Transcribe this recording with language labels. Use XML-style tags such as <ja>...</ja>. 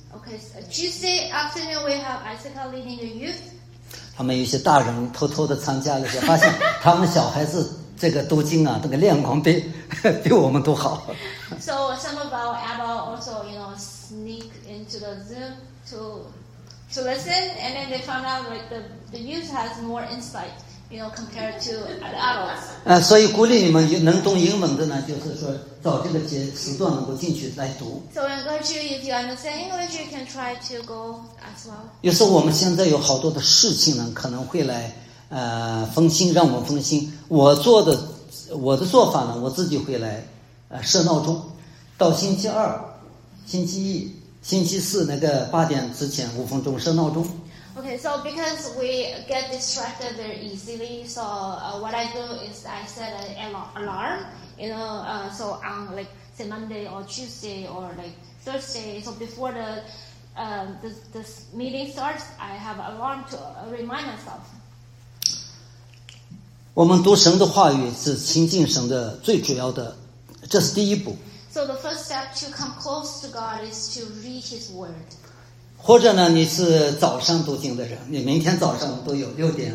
<en>Okay, Tuesday afternoon we have Isaka leading the youth.</en> <zh>他们有些大人偷偷的参加了，发现他们小孩子这个读经啊，这个练功比我们都好。</zh> <en>So some of our adults also, you know, sneak into the Zoom to listen, and then they found out like the youth has more insight, you know, compared to the adults.</en> <zh>所以鼓励你们能懂英文的呢，就是说。找这个节时段能够进去来读。</zh> <en>So encourage you, if you understand English, you can try to go as well.</en> <zh>有时候我们现在有好多的事情呢，可能会来分心，让我们分心。我的做法呢，我自己会来设闹钟，到星期二、星期一、星期四那个八点之前五分钟设闹钟。</zh> <en>Okay, so because we get distracted very easily, so what I do is I set an alarm, you know, so on like say Monday or Tuesday or like Thursday, so before this meeting starts, I have an alarm to remind myself.</en> <zh>我们读神的话语是亲近神的最主要的，这是第一步。</zh> <en>So the first step to come close to God is to read His word.</en> <zh>或者呢，你是早上读经的人，你明天早上都有6:15。</zh>